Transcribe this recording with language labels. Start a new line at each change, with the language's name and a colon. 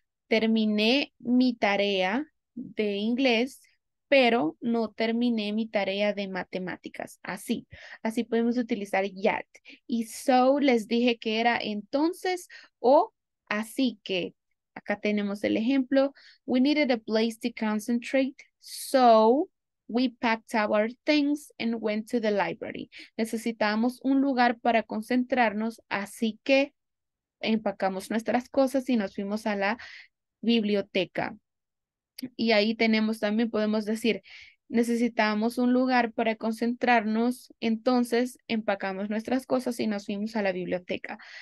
Spanish: Terminé mi tarea de inglés, pero no terminé mi tarea de matemáticas. Así, así podemos utilizar yet. Y so les dije que era entonces o así que. Acá tenemos el ejemplo.
English: We needed a place to concentrate, so we packed our things and went to the library.
Spanish: Necesitábamos un lugar para concentrarnos, así que empacamos nuestras cosas y nos fuimos a la biblioteca. Y ahí tenemos también, podemos decir, necesitábamos un lugar para concentrarnos, entonces empacamos nuestras cosas y nos fuimos a la biblioteca.